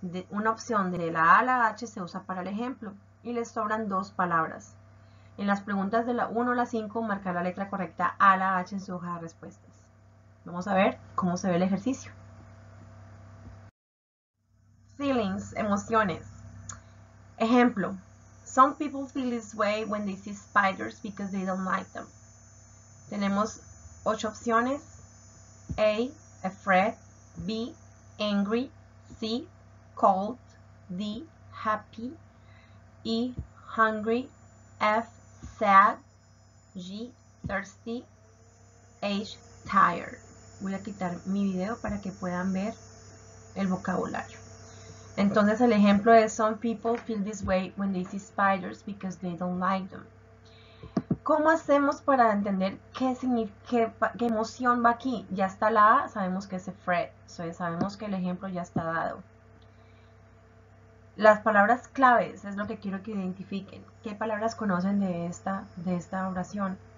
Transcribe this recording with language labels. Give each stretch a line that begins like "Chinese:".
Spanish: Una opción de la A a la H se usa para el ejemplo y les sobran 2 palabras. En las preguntas de la 1 a la 5 marca la letra correcta A a la H en su hoja de respuestas. Vamos a ver cómo se ve el ejercicio. Feelings, emociones. Ejemplo,
English: some people feel this way when they see spiders because they don't like them.
Spanish: Tenemos 8 opciones. A, afraid. B, angry. C,
English: cold, D, happy, E, hungry, F, sad, G, thirsty, H, tired.
Spanish: Voy a quitar mi video para que puedan ver el vocabulario. Entonces el ejemplo es,
English: some people feel this way when they see spiders because they don't like them.
Spanish: ¿Cómo hacemos para entender qué significa, qué emoción va aquí? Ya está la A, sabemos que es afraid. So, sabemos que el ejemplo ya está dado. Las palabras claves es lo que quiero que identifiquen. ¿Qué palabras conocen de esta oración?